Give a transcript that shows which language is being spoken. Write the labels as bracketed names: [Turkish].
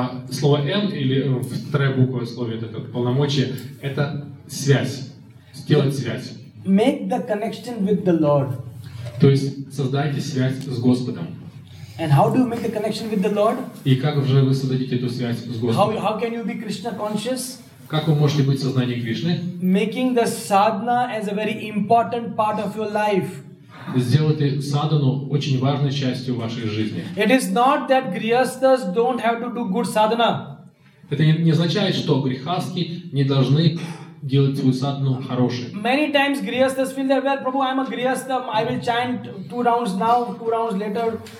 [Russian] Слово M или вторая буква слова это полномочия, это связь, сделать связь. [English] Make the connection with the Lord. [Russian] То есть создайте связь с Господом. [English] And how do you make the connection with the Lord? [Russian] И как же вы создадите эту связь с Господом? [English] How can you be Krishna conscious? [Russian] Как вы можете быть в сознании Кришны? [English] Making the sadhana as a very important part of your life. [Russian] Сделайте садхану очень важной частью вашей жизни. [English] It is not that grihasthas don't have to do good sadhana. [Russian] Это не означает, что грихастхи не должны делать свою садхану хорошей. [English] Many times grihasthas feel that, well, Prabhu, I'm a grihastha, I will chant two rounds now, two rounds later.